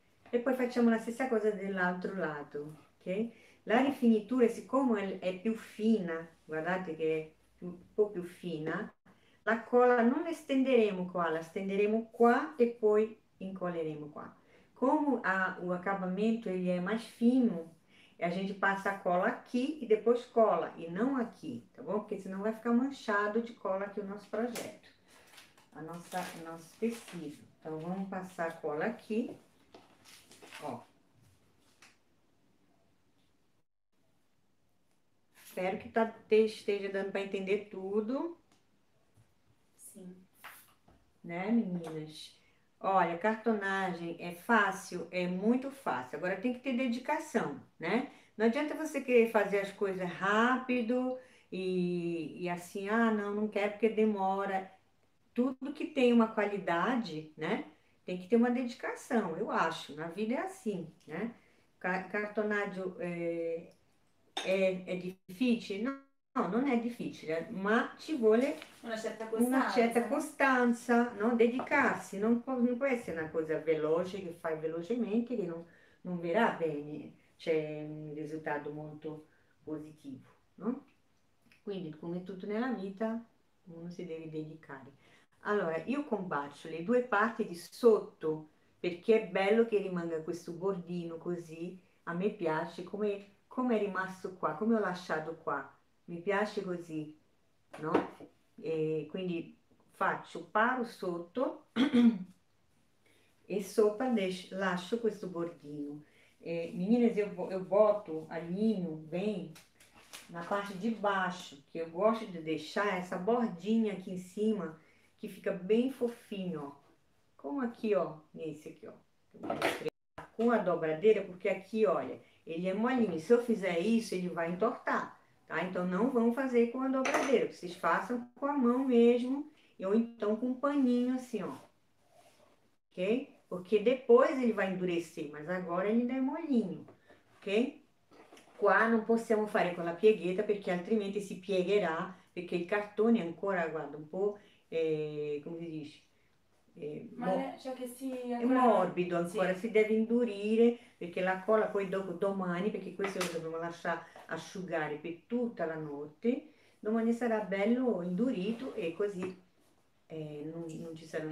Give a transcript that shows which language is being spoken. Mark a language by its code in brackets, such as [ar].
[it] E poi facciamo la stessa cosa dell'altro lato, ok? La rifinitura, siccome è più fina, guardate che è un po' più fina, la colla non estenderemo qua, la stenderemo qua e poi incolleremo qua. [pt] Come ha un acabamento, ele è mais fino. E a gente passa a cola aqui e depois cola, e não aqui, tá bom? Porque senão vai ficar manchado de cola aqui o nosso projeto, o nosso tecido. Então vamos passar a cola aqui, ó. Espero que esteja dando para entender tudo, né, meninas? Olha, cartonagem é fácil, é muito fácil. Agora tem que ter dedicação, né? Não adianta você querer fazer as coisas rápido e assim, ah, não quero porque demora. Tudo que tem uma qualidade, né? Tem que ter uma dedicação, eu acho. Na vida é assim, né? Cartonagem é difícil? Não. [it] No, non è difficile, ma ci vuole Una certa una certa costanza, no? Dedicarsi, non può essere una cosa veloce che fai velocemente, che non verrà bene, c'è un risultato molto positivo, no? Quindi, come tutto nella vita, uno si deve dedicare. Allora, io combacio le due parti di sotto perché è bello che rimanga questo bordino così, a me piace, come è rimasto qua, come ho lasciato qua. Mi piace così, no? E quindi faccio paro sotto e sopra lascio questo bordino. [pt] E, meninas, eu boto, alinho bem na parte de baixo, que eu gosto de deixar essa bordinha aqui em cima, que fica bem fofinho, ó. Como aqui, ó, nesse aqui, ó. Com a dobradeira, porque aqui, olha, ele é molinho. Se eu fizer isso, ele vai entortar. Tá? Então, não vão fazer com a dobradeira. Vocês façam com a mão mesmo. Ou então com um paninho assim, ó. Ok? Porque depois ele vai endurecer. Mas agora ele ainda é molinho. Ok? [it] Qua não possiamo fare con la piegheta. Perché altrimenti si piegherà. Perché il cartone ancora, guarda, un po'. Come si dice? Ma c'è cioè che si È ancora morbido ancora. sì. Si deve indurire. Perché la colla poi dopo domani. Perché questo lo dobbiamo lasciare asciugare per tutta la notte, domani sarà bello indurito e così non ci saranno